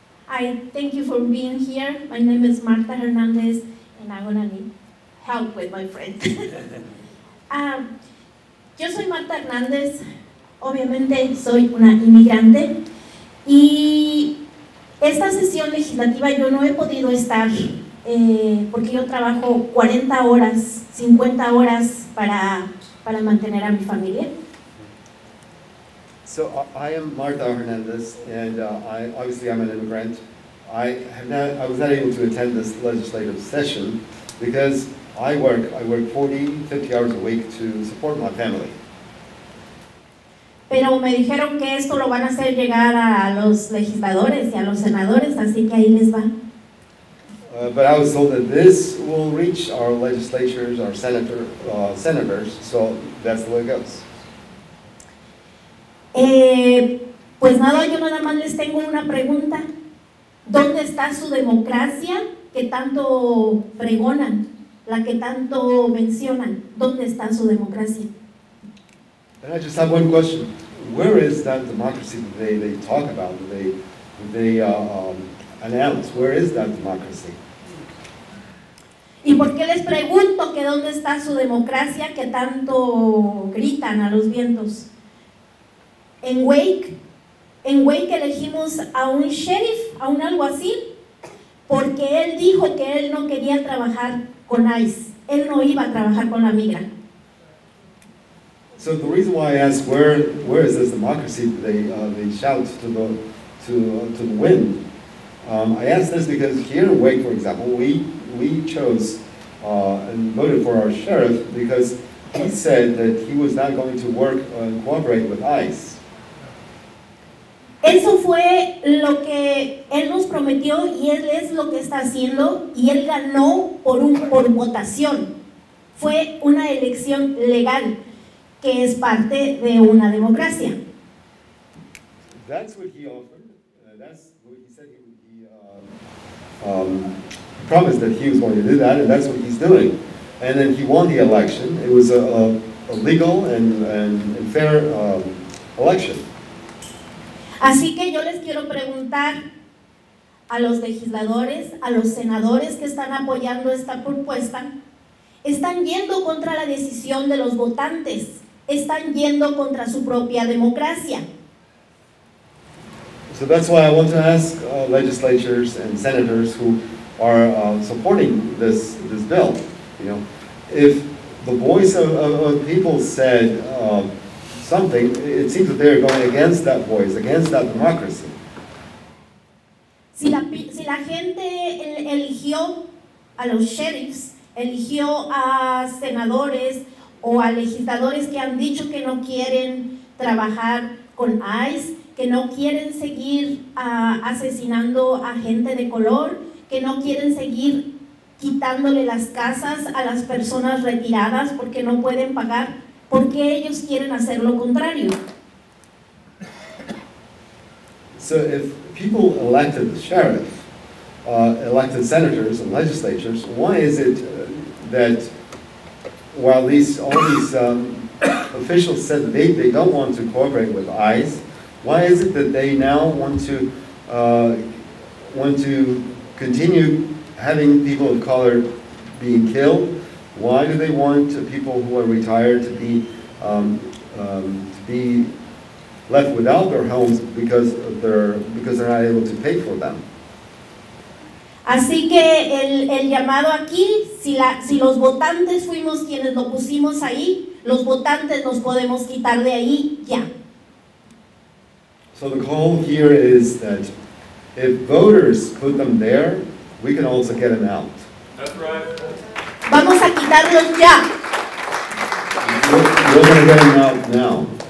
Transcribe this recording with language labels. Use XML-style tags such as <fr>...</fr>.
<en>I thank you for being here. My name is Martha Hernandez, and I'm gonna need help with my friend.</en> <es>yo soy Martha Hernandez, obviamente soy una inmigrante, y esta sesión legislativa yo no he podido estar porque yo trabajo 40 horas, 50 horas para mantener a mi familia.</es> <en>So I am Martha Hernandez, and I'm an immigrant. I was not able to attend this legislative session because I work 40, 50 hours a week to support my family.</en> <es>Pero me dijeron que esto lo van a hacer llegar a los legisladores y a los senadores, así que ahí les va.</es> <en>But I was told that this will reach our legislatures, our senators, so that's the way it goes.</en> <es>Pues nada, yo nada más les tengo una pregunta. ¿Dónde está su democracia que tanto pregonan, la que tanto mencionan? ¿Dónde está su democracia?</es> <en>And I just have one question. Where is that democracy that they talk about, that they announce? Where is that democracy?</en> <es>¿Y por qué les pregunto que dónde está su democracia que tanto gritan a los vientos? En Wake elegimos a un sheriff, a un alguacil, porque él dijo que él no quería trabajar con ICE. Él no iba a trabajar con la migra.</es> <en>So the reason why I ask where is this democracy that they shout to the wind? I ask this because here in Wake, for example, we chose and voted for our sheriff because he said that he was not going to work and cooperate with ICE.</en> <es>Eso fue lo que él nos prometió y él es lo que está haciendo y él ganó por votación. Fue una elección legal que es parte de una democracia.</es> <en>That's what he offered. That's what he said he would be promised that he was going to do that, and that's what he's doing. And then he won the election. It was a legal and fair election.</en> <es>Así que yo les quiero preguntar a los legisladores, a los senadores que están apoyando esta propuesta, ¿están yendo contra la decisión de los votantes? ¿Están yendo contra su propia democracia?</es> <en>So that's why I want to ask legislators and senators who are supporting this bill, you know, if the voice of people said something, it seems that they're going against that voice, against that democracy.</en> <es>Si la gente eligió a los sheriffs, eligió a senadores o a legisladores que han dicho que no quieren trabajar con ICE, que no quieren seguir asesinando a gente de color, que no quieren seguir quitándole las casas a las personas retiradas porque no pueden pagar, ¿por qué ellos quieren hacer lo contrario?</es> <en>So if people elected the sheriff, elected senators and legislatures, why is it that while all these officials said that they don't want to cooperate with ICE, why is it that they now want to continue having people of color being killed? Why do they want people who are retired to be left without their homes because they're not able to pay for them?</en> <es>Así que el llamado aquí, si los votantes fuimos quienes lo pusimos ahí, los votantes nos podemos quitar de ahí ya.</es> <en>So the call here is that if voters put them there, we can also get them out. That's right.</en> <es>Vamos a quitarlos ya.</es> <en>We're going to get them out now.</en>